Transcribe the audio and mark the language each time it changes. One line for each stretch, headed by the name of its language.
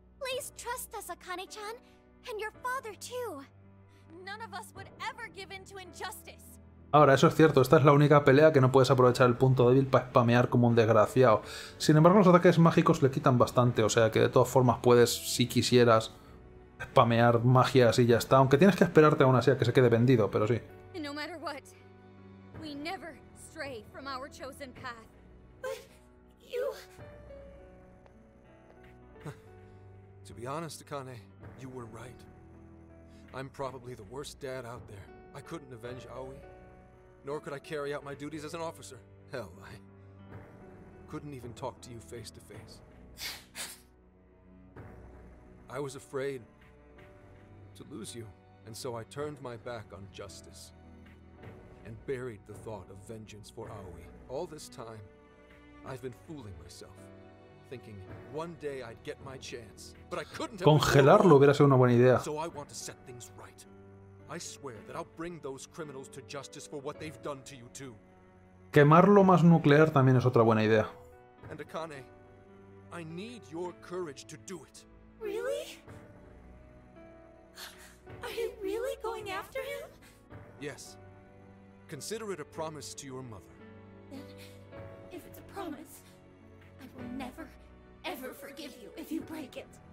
English: Please trust us, Akane-chan, and your father too. None of us would ever give in to injustice.
Spanish: Ahora, eso es cierto, esta es la única pelea que no puedes aprovechar el punto débil para spamear como un desgraciado. Sin embargo, los ataques mágicos le quitan bastante, o sea que de todas formas puedes, si quisieras, spamear magias y ya está. Aunque tienes que esperarte aún así a que se quede vendido, pero sí.
English: No matter what, we never stray from our chosen path. But you... To be honest, Akane, you were right. I'm probably the worst dad out there. I couldn't avenge Aoi. Nor could I carry out my duties as an officer. Hell, I couldn't even talk to you face to face. I was afraid to lose you, and so I turned my back on justice and buried the thought of vengeance for Aoi. All this time, I've been fooling myself, thinking one day I'd get my chance, but I couldn't.
Spanish: Congelarlo hubiera sido una buena idea.
English: So I want to set things right. I swear that I'll bring those criminals to justice for what they've done to you too.
Spanish: Quemarlo más nuclear también es otra buena idea.
English: And Akane, I need your courage to do it. Really? Are you really going after him? Yes. Consider it a promise to your mother. Then, if it's a promise, I will never, ever forgive you if you break it.